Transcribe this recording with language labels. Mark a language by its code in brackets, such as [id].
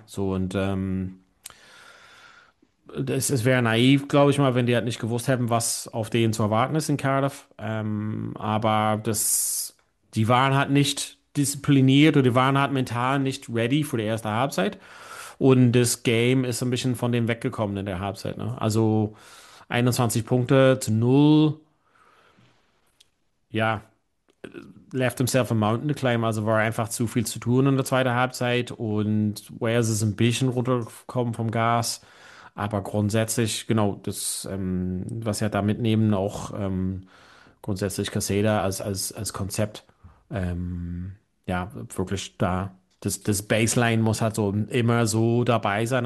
[de] So, und es wäre naiv, glaube ich mal, wenn die halt nicht gewusst hätten, was auf denen zu erwarten ist in Cardiff. Aber die waren halt nicht diszipliniert oder die waren halt mental nicht ready für die erste Halbzeit. Und das Game ist ein bisschen von dem weggekommen in der Halbzeit, ne? Also 21 Punkte zu 0. [en] Ja, left himself a mountain to climb. [de] Also war einfach zu viel zu tun in der zweiten Halbzeit. Und Wales ist ein bisschen runtergekommen vom Gas. Aber grundsätzlich, genau, das, was wir da mitnehmen, auch grundsätzlich Caseda als Konzept. Ja, wirklich da. Das Baseline muss halt so immer so dabei sein.